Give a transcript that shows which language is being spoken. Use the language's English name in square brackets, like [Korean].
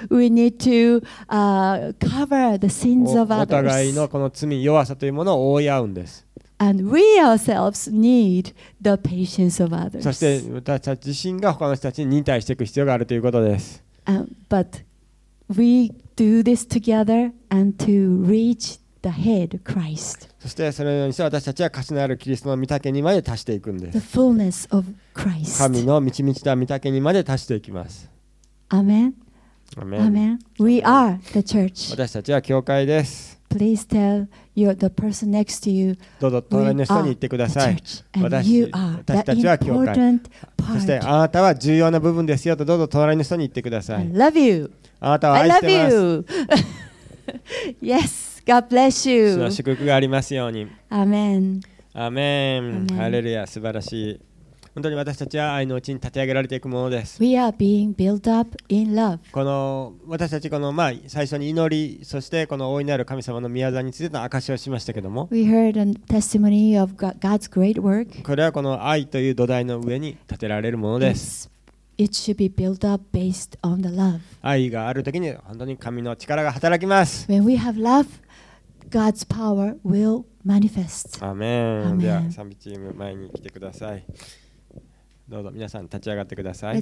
[English] We need to cover the sins of others. [Japanese] お互いのこの罪、弱さというものを覆い合うんです。 [English] And we ourselves need the patience of others. [Japanese] そして私たち自身が他の人たちに忍耐していく必要があるということです。 [English] But we do this together and to reach the head, Christ. [Japanese] そしてそのようにして私たちは価値のあるキリストの御丈にまで達していくんです。 [English] The fullness of Christ. [Japanese] 神の満ち満ちた御丈にまで達していきます。 [English] Amen. Amen. Amen. We are the church. [Japanese] 私たちは教会です。 [English] Please tell your the person next to you. [Japanese] どうぞ隣の人に言ってください。私たちは教会。そしてあなたは重要な部分ですよとどうぞ隣の人に言ってください。 [English] I love you. [Japanese] あなたを愛してます。 [English] I love you. Yes, God bless you. 主 [Japanese] の祝福がありますように。 [English] Amen. [Japanese] Amen. ハレルヤ、素晴らしい。本当に私たちは愛のうちに立て上げられていくものです。 [English] We are being built up in love. [Japanese] この私たちこの最初に祈り、そしてこの大いなる神様の御業についての証しをしましたけども、 [English] We heard a testimony of God's great work. [Japanese] これはこの愛という土台の上に立てられるものです。 [English] It should be built up based on the love. [Japanese] 愛があるときに本当に神の力が働きます。 [English] When we have love, God's power will manifest. [Japanese] アーメン。では賛美チーム前に来てください。どうぞ皆さん立ち上がってください。